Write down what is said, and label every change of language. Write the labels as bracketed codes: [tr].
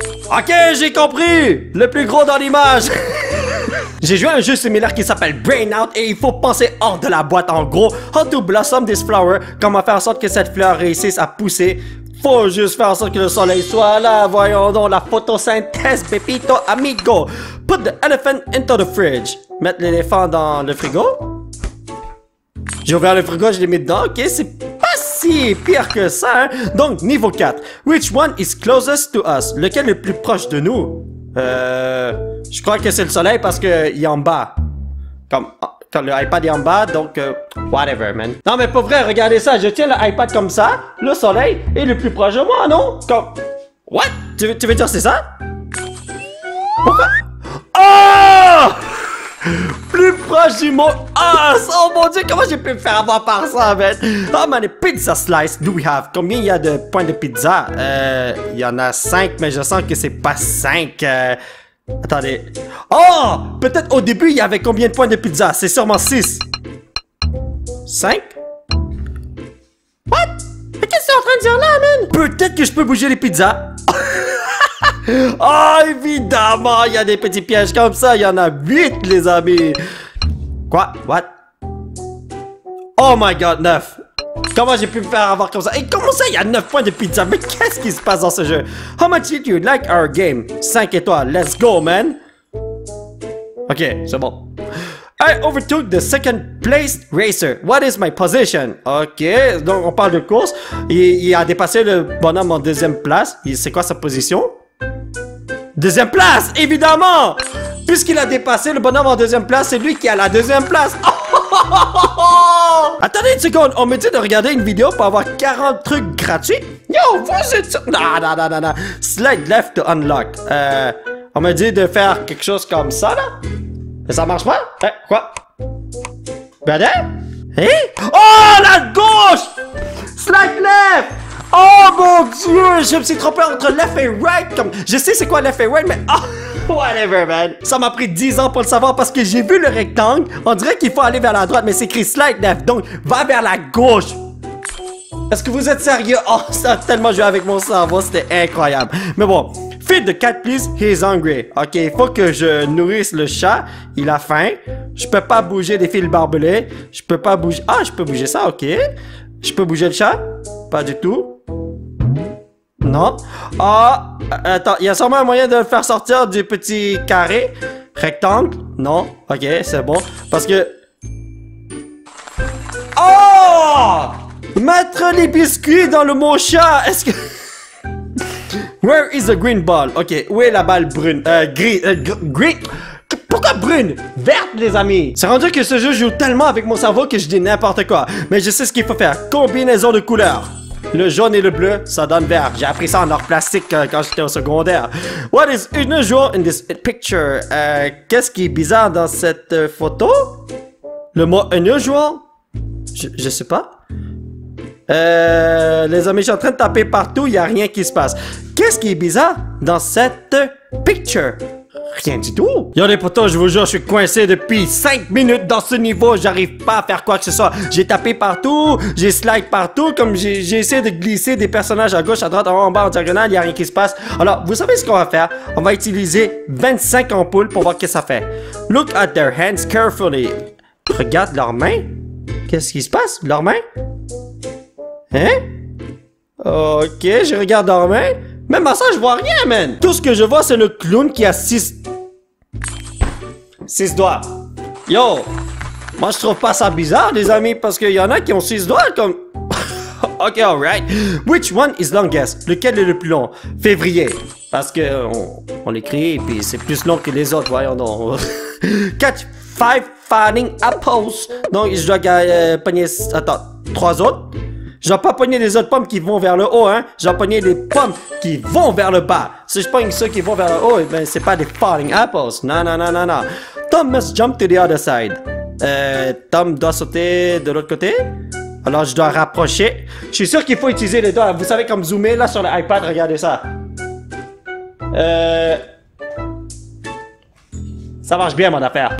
[fr] Ok, j'ai compris, le plus gros dans l'image. J'ai joué à un jeu similaire qui s'appelle Brain Out et il faut penser hors de la boîte en gros. [en] How to blossom this flower, [fr] comment faire en sorte que cette fleur réussisse à pousser. Faut juste faire en sorte que le soleil soit là, voyons donc la photosynthèse, [es] pepito amigo. [en] Put the elephant into the fridge. [fr] Mettre l'éléphant dans le frigo. J'ai ouvert le frigo, je l'ai mis dedans, ok, c'est pas si pire que ça, hein. Donc niveau 4, [en] which one is closest to us? [fr] Lequel est le plus proche de nous? Je crois que c'est le soleil parce que il est en bas. Comme le iPad est en bas, donc [en] whatever, man. [fr] Non mais pour vrai, regardez ça, je tiens le iPad comme ça, le soleil est le plus proche de moi, non? Comme what? Tu veux dire c'est ça? Pourquoi? Oh! Plus proche du mot us! Oh mon dieu, comment j'ai pu me faire avoir par ça, man? [en] Oh man, [fr] les [en] pizza slice, do we have? [fr] Combien il y a de points de pizza? Il y en a 5, mais je sens que c'est pas 5. Attendez. Oh! Peut-être au début, il y avait combien de points de pizza? C'est sûrement 6. 5? What? Mais qu'est-ce que tu es en train de dire là, man? Peut-être que je peux bouger les pizzas. Oh, évidemment, il y a des petits pièges comme ça. Il y en a 8, les amis. Quoi? What? [en] Oh my god, [fr] 9. Comment j'ai pu me faire avoir comme ça? Et comment ça, il y a 9 points de pizza? Mais qu'est-ce qui se passe dans ce jeu? [en] How much did you like our game? [fr] 5 étoiles. [en] Let's go, man. [fr] Ok, c'est bon. [en] I overtook the second place racer. What is my position? [fr] Ok, donc on parle de course. Il a dépassé le bonhomme en deuxième place. C'est quoi sa position? Deuxième place, évidemment! Puisqu'il a dépassé le bonhomme en deuxième place, c'est lui qui a la deuxième place! Attendez une seconde, on me dit de regarder une vidéo pour avoir 40 trucs gratuits? Yo, vous êtes sur... Non. [en] Slide left to unlock. [fr] On me dit de faire quelque chose comme ça, là? Mais ça marche pas? Quoi? Badin? Hein? Oh, la gauche! [en] Slide left! [fr] Oh mon dieu, je me suis trompé entre left et right, comme, je sais c'est quoi left et right, mais, [en] oh, whatever, man. [fr] Ça m'a pris 10 ans pour le savoir parce que j'ai vu le rectangle, on dirait qu'il faut aller vers la droite, mais c'est écrit [en] slide left, [fr] donc, va vers la gauche. Est-ce que vous êtes sérieux? Oh, ça a tellement joué avec mon cerveau, c'était incroyable. [en] Mais bon, feed the cat, please, he's hungry. [fr] Ok, il faut que je nourrisse le chat, il a faim. Je peux pas bouger des fils barbelés, je peux pas bouger, ah, je peux bouger ça, ok. Je peux bouger le chat? Pas du tout. Non. Ah, oh, attends, il y a sûrement un moyen de le faire sortir du petit carré rectangle. Non. Ok, c'est bon. Parce que... Oh! Mettre les biscuits dans le mot chat. [en] Est-ce que... Where is the green ball? [fr] Ok, où est la balle brune? Green. Pourquoi brune? Verte, les amis! C'est rendu que ce jeu joue tellement avec mon cerveau que je dis n'importe quoi. Mais je sais ce qu'il faut faire. Combinaison de couleurs. Le jaune et le bleu, ça donne vert. J'ai appris ça en or plastique quand j'étais au secondaire. [en] What is unusual in this picture? [fr] Qu'est-ce qui est bizarre dans cette photo? Le mot unusual? Je sais pas. Les amis, je suis en train de taper partout, il n'y a rien qui se passe. Qu'est-ce qui est bizarre dans cette picture? Rien du tout. Yo les potos, je vous jure, je suis coincé depuis 5 minutes dans ce niveau. J'arrive pas à faire quoi que ce soit. J'ai tapé partout, j'ai slide partout. Comme j'ai essayé de glisser des personnages à gauche, à droite, en haut, en bas, en diagonale, y a rien qui se passe. Alors, vous savez ce qu'on va faire? On va utiliser 25 ampoules pour voir qu'est-ce que ça fait. [en] Look at their hands carefully. [fr] Regarde leurs mains. Qu'est-ce qui se passe? Leurs mains? Hein? Ok, je regarde leurs mains. Même à ça, je vois rien, man. Tout ce que je vois, c'est le clown qui a 6 doigts. Yo, moi, je trouve pas ça bizarre, les amis, parce qu'il y en a qui ont 6 doigts, comme... [en] Ok, alright. Which one is longest? [fr] Lequel est le plus long? Février. Parce que on écrit, et puis c'est plus long que les autres, voyons donc. [en] Catch 5 falling apples. [fr] Donc, je dois pogner... Attends, 3 autres? J'ai pas pogné les autres pommes qui vont vers le haut, hein. J'ai pogné les pommes qui vont vers le bas. Si je pogne ceux qui vont vers le haut, ben c'est pas des [en] falling apples. [fr] Non. [en] Tom must jump to the other side. [fr] Tom doit sauter de l'autre côté. Alors je dois rapprocher. Je suis sûr qu'il faut utiliser les doigts. Vous savez, comme zoomer là sur l'iPad, regardez ça. Ça marche bien, mon affaire.